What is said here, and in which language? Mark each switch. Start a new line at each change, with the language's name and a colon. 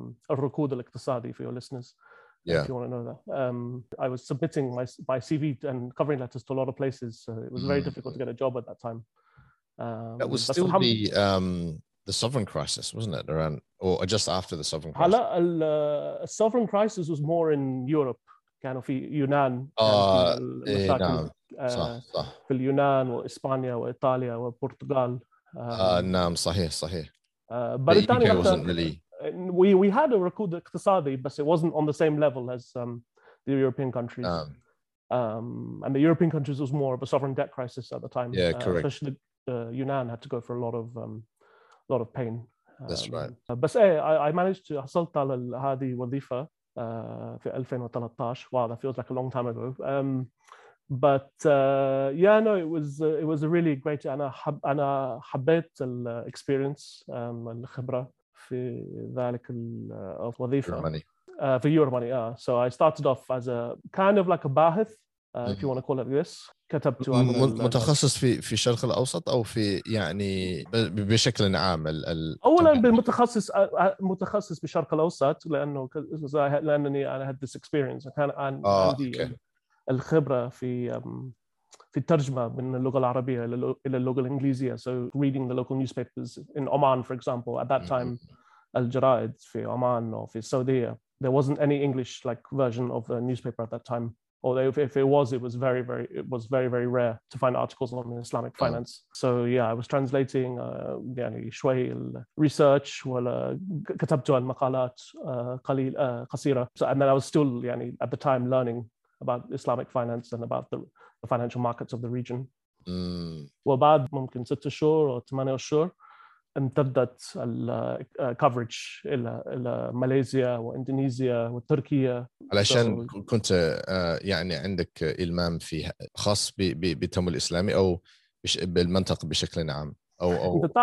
Arabic: الركود الاقتصادي
English: for your listeners if you want to know that I was submitting my CV and covering letters to a lot of places so it was very difficult to get a job at that time. That was still the sovereign crisis, wasn't it? Around or just after the sovereign crisis? The sovereign crisis was more in Europe, kind of Yunnan.
Arabic: في اليونان وإسبانيا وإيطاليا وبرتغال. نعم صحيح.
English: بريطانيا wasn't really. We had a record اقتصادي, but it wasn't on the same level as the European countries. And the European countries was more of a sovereign debt crisis at the time. Yeah, correct. Yunnan had to go for a lot of pain. That's right. But hey, I managed to
Arabic: حصلت على هذه وظيفة في 2013.
English: Wow, that feels like a long time ago. But it was a really great.
Arabic: أنا حبيت ال experience الخبرة في ذلك الوظيفة.
English: For your money. So I started off as a kind of like a باحث, if you want to call it this.
Arabic: كتبت عن متخصص في الشرق الأوسط أو في يعني بشكل عام ال أولاً بالمتخصص متخصص بالشرق الأوسط لأنني
English: I had this experience
Arabic: كان عندي الخبرة في الترجمة من اللغة العربية إلى اللغة الإنجليزية
English: so reading the local newspapers in Oman for example at that time
Arabic: الجرائد في عمان أو في السعودية
English: there wasn't any English like version of the newspaper at that time. Although if it was, it was very, very rare to find articles on Islamic finance. Oh. So yeah, I was translating
Arabic: يعني شوي research ولا كتبت عن مقالات قليل قصيرة.
English: So and then I was still يعني at the time learning about Islamic finance and about the financial markets of the region.
Arabic: وبعد ممكن 6 شهور أو 8 شهور امتدت ال coverage إلى ماليزيا وإندونيسيا وتركيا. علشان كنت يعني عندك إلمام في خاص بالتمويل الإسلامي أو بالمنطقة بشكل عام أو